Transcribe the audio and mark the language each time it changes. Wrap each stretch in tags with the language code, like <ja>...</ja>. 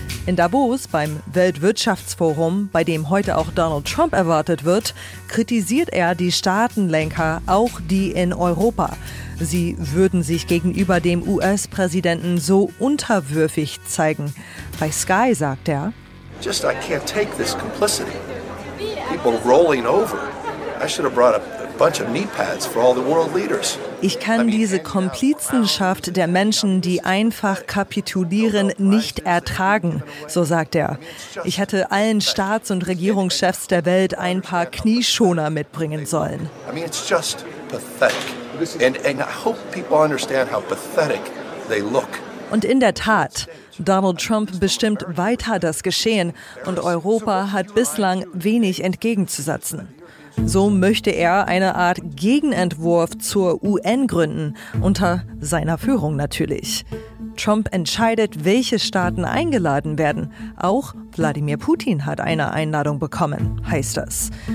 <de>In Davos beim Weltwirtschaftsforum, bei dem heute auch Donald Trump erwartet wird, kritisiert er die Staatenlenker, auch die in Europa. Sie würden sich gegenüber dem US-Präsidenten so unterwürfig zeigen. Bei Sky sagt er:</de> <en>Just I can't take this complicity. People rolling over. I should have brought up bunch of knee pads for all the world leaders.</en> <de>Ich kann diese Komplizenschaft der Menschen, die einfach kapitulieren, nicht ertragen, so sagt er. Ich hätte allen Staats- und Regierungschefs der Welt ein paar Knieschoner mitbringen sollen.</de> <en>I mean, it's just pathetic. And I hope people understand how pathetic they look.</en> <de>Und in der Tat, Donald Trump bestimmt weiter das Geschehen und Europa hat bislang wenig entgegenzusetzen. So möchte er eine Art Gegenentwurf zur UN gründen, unter seiner Führung natürlich. Trump entscheidet, welche Staaten eingeladen werden. Auch Wladimir Putin hat eine Einladung bekommen, heißt es.</de>